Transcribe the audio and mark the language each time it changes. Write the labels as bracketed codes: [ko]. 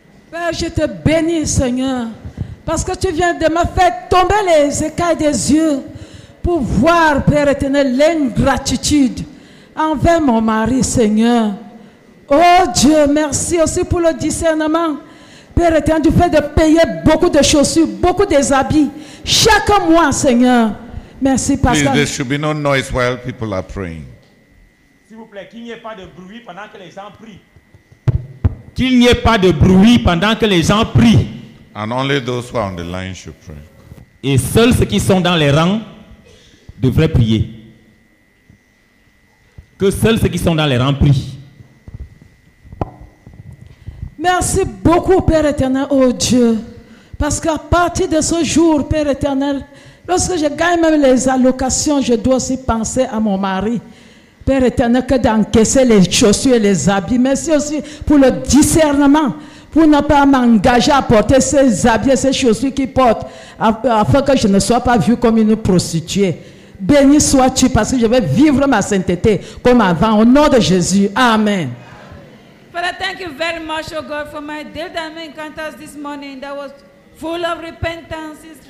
[fr] Père, je te bénis, Seigneur, parce que tu viens de me faire tomber les écailles des yeux pour voir, Père éternel, l'ingratitude envers mon mari, Seigneur. Oh Dieu, merci aussi pour le discernement. Père éternel, du fait de payer beaucoup de chaussures, beaucoup des habits, chaque mois, Seigneur. Merci, Pastor. [en] Please, there should be no noise while people are praying. [fr] S'il vous plaît, qu'il n'y ait pas de bruit pendant que les gens prient. Qu'il n'y ait pas de bruit pendant que les gens prient. [en] And only those who are on the line should pray. [fr] Et seuls ceux qui sont dans les rangs devraient prier. Que seuls ceux qui sont dans les rangs prient. Merci beaucoup, Père éternel, oh Dieu. Parce qu'à partir de ce jour, Père éternel, lorsque je gagne même les allocations, je dois aussi penser à mon mari. Père éternel, que d'encaisser les chaussures et les habits. Merci aussi pour le discernement, pour ne pas m'engager à porter ces habits et ces chaussures qu'il porte, afin que je ne sois pas vu comme une prostituée. Béni sois-tu parce que je vais vivre ma sainteté comme avant au nom de Jésus. Amen. [en] Father, thank you very much, oh God, for my dear diamond encounters this morning that was full of repentance.